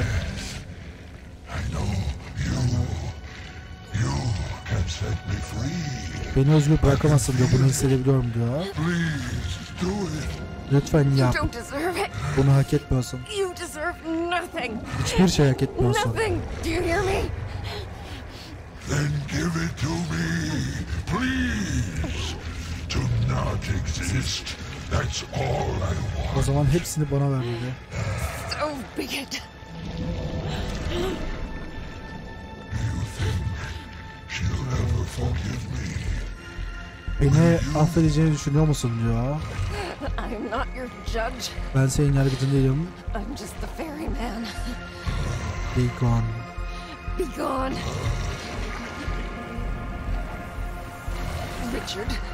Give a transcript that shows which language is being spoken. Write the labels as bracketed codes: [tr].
[en] Yes. I know you. You have set me free. [tr] Beni özgür bırakamazsın diyor. Bunu hissedebiliyorum diyor. [en] Please do it. [tr] Lütfen yap. [en] You don't deserve it. [tr] Bunu hak etmiyorsun. [en] You deserve nothing. [tr] Hiçbir şey hak etmiyorsun. [en] Nothing. Do you hear me? Then give it to me, please. To not exist. That's all I want. [tr] O zaman hepsini bana ver dedi. [en] So be it. You think she'll ever forgive me? [tr] Beni affedeceğini düşünüyor musun diyor. [en] I'm not your judge. [tr] Ben senin yargıcın değilim. [en] I'm just the ferryman. Be gone. Be gone. Richard.